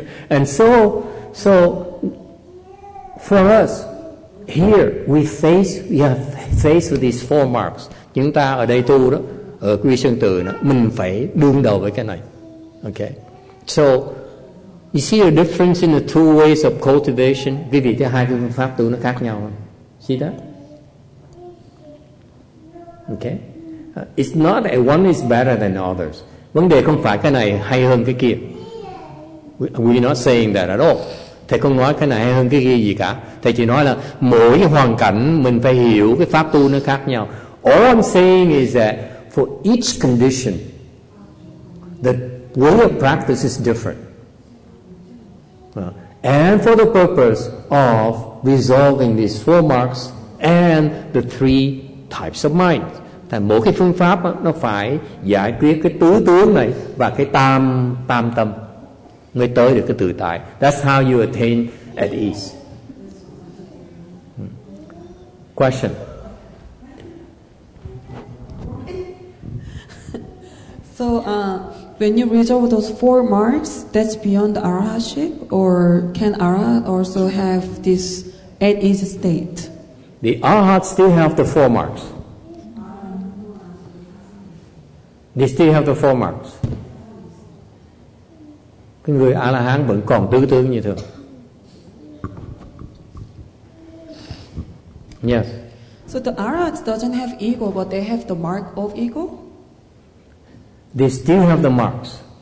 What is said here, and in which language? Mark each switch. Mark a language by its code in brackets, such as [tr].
[en] And so for us here, we have faced with these four marks. [vi] Chúng ta ở đây tu đó, ở quy sơn tự đó, mình phải đương đầu với cái này. [en] Okay. So you see a difference in the two ways of cultivation? [vi] Quý vị thấy hai cái phương pháp tu nó khác nhau không? [en] See that? Okay. It's not that one is better than others. [vi] Vấn đề không phải cái này hay hơn cái kia. [en] We're not saying that at all. [vi] Thầy không nói cái này hay hơn cái kia gì cả. Thầy chỉ nói là mỗi hoàn cảnh mình phải hiểu cái pháp tu nó khác nhau. [en] All I'm saying is that for each condition, the way of practice is different. And for the purpose of resolving these four marks and the three types of mind. [vi] Thành mỗi cái phương pháp đó, nó phải giải quyết cái tứ tướng này và cái tam tâm mới tới được cái tự tại. [en] That's how you attain at ease. Question. So when you resolve those four marks, that's beyond arahatship, or can arahat also have this at-ease state? The arahat still have the four marks. They still have the four marks. [vi] cái người A-la-hán vẫn còn tư tưởng như thường. [en] Yes. So the Arahants doesn't have ego, but they have the mark of ego? They still have the marks.